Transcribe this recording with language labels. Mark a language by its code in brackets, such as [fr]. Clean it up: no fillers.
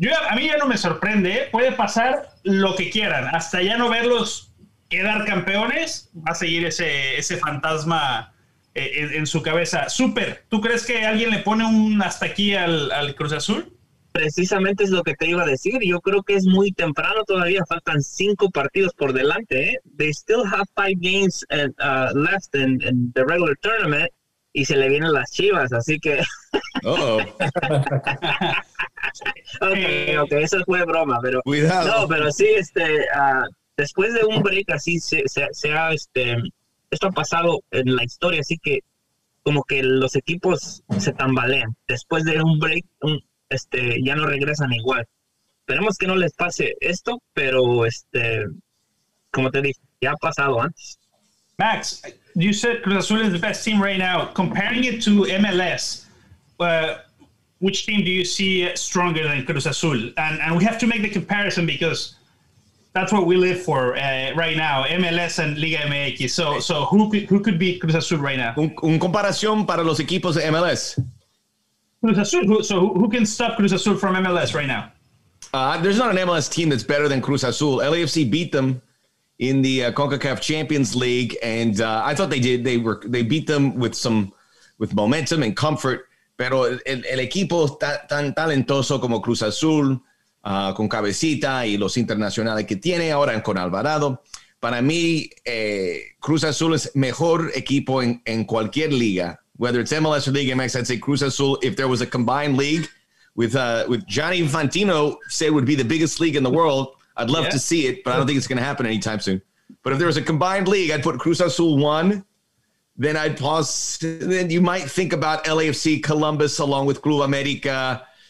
[es] A mí ya no me sorprende, ¿eh? Puede pasar lo que quieran. Hasta ya no verlos quedar campeones, va a seguir ese fantasma en su cabeza. Súper, ¿tú crees que alguien le pone un hasta aquí al Cruz Azul? Precisamente es lo que te iba a decir. Yo creo que es muy temprano todavía. Faltan 5 partidos por delante, ¿eh? [en] They still have 5 games left in the regular tournament. [es] Y se le vienen las Chivas, así que... Ok, eso fue broma, pero... Cuidado. No, pero sí, después de un break así, esto ha pasado en la historia, así que como que los equipos se tambalean. Después de un break, ya no regresan igual. Esperemos que no les pase esto, pero como te dije, ya ha pasado antes. [en] Max, you said Cruz Azul is the best team right now. Comparing it to MLS, which team do you see stronger than Cruz Azul? And we have to make the comparison because that's what we live for right now, MLS and Liga MX. So who could be Cruz Azul right now? [es] Un comparación para los equipos de MLS. [en] Cruz Azul, who can stop Cruz Azul from MLS right now? There's not an MLS team that's better than Cruz Azul. LAFC beat them in the CONCACAF Champions League, and I thought they did. They beat them with momentum and comfort. [es] Pero el equipo tan talentoso como Cruz Azul, con Cabecita y los internacionales que tiene ahora con Alvarado, para mí Cruz Azul es mejor equipo en cualquier liga. [en] Whether it's MLS or Liga MX, I'd say Cruz Azul, if there was a combined league with Johnny Infantino, say it would be the biggest league in the world. I'd love to see it, but I don't think it's going to happen anytime soon. But if there was a combined league, I'd put Cruz Azul 1. Then I'd pause. Then you might think about LAFC, Columbus, along with Club America.